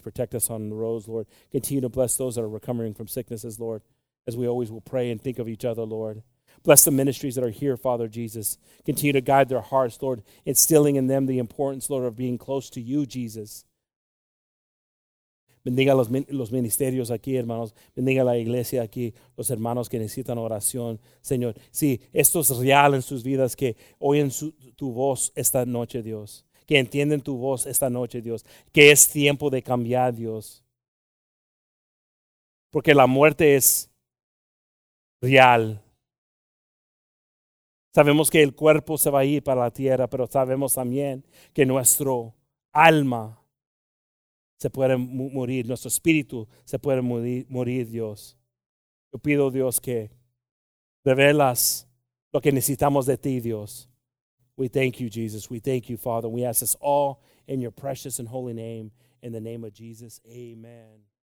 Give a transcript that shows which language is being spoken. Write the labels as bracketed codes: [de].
[en] Protect us on the roads, Lord. Continue to bless those that are recovering from sicknesses, Lord, as we always will pray and think of each other, Lord. Bless the ministries that are here, Father Jesus. Continue to guide their hearts, Lord, instilling in them the importance, Lord, of being close to you, Jesus. [es] Bendiga los ministerios aquí, hermanos. Bendiga la iglesia aquí, los hermanos que necesitan oración, Señor. Sí, esto es real en sus vidas, que oyen tu voz esta noche, Dios. Que entienden tu voz esta noche, Dios. Que es tiempo de cambiar, Dios. Porque la muerte es real. Sabemos que el cuerpo se va a ir para la tierra, pero sabemos también que nuestro alma se puede morir, nuestro espíritu se puede morir, Dios. Yo pido, Dios, que revelas lo que necesitamos de ti, Dios. [en] We thank you, Jesus. We thank you, Father. We ask this all in your precious and holy name. In the name of Jesus, amen.